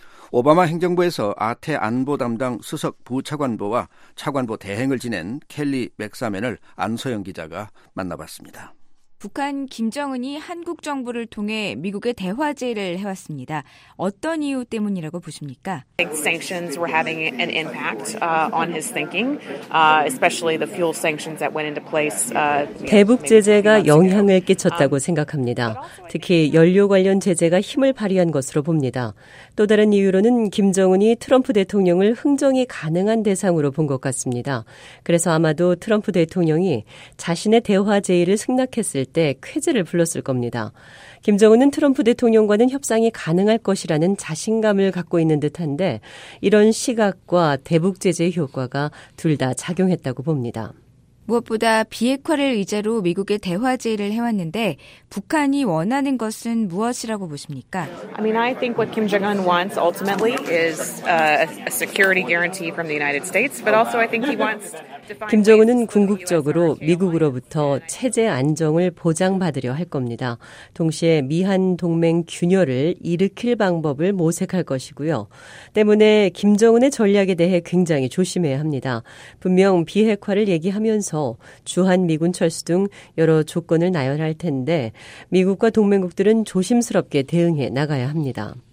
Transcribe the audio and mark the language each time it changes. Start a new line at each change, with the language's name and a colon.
Korean: 오바마 행정부에서 아태 안보 담당 수석 부차관보와 차관보 대행을 지낸 켈리 맥사맨을 안서영 기자가 만나봤습니다. 북한 김정은이 한국 정부를 통해 미국의 대화제의를 해왔습니다. 어떤 이유 때문이라고 보십니까?
English: I think sanctions were having an impact on his thinking, especially the fuel sanctions that went into place.
Korean: 대북 제재가 영향을 끼쳤다고 생각합니다. 특히 연료 관련 제재가 힘을 발휘한 것으로 봅니다. 또 다른 이유로는 김정은이 트럼프 대통령을 흥정이 가능한 대상으로 본 것 같습니다. 그래서 아마도 트럼프 대통령이 자신의 대화 제의를 승낙했을 때 쾌재를 불렀을 겁니다. 김정은은 트럼프 대통령과는 협상이 가능할 것이라는 자신감을 갖고 있는 듯한데 이런 시각과 대북 제재의 효과가 둘 다 작용했다고 봅니다. 무엇보다 비핵화를 의제로 미국의 대화 제의를 해왔는데 북한이 원하는 것은 무엇이라고 보십니까?
English: I mean, I think what Kim Jong-un wants ultimately is a security guarantee from the United States, but also I think he wants
Korean: 김정은은 궁극적으로 미국으로부터 체제 안정을 보장받으려 할 겁니다. 동시에 미한 동맹 균열을 일으킬 방법을 모색할 것이고요. 때문에 김정은의 전략에 대해 굉장히 조심해야 합니다. 분명 비핵화를 얘기하면서 주한미군 철수 등 여러 조건을 나열할 텐데 미국과 동맹국들은 조심스럽게 대응해 나가야 합니다.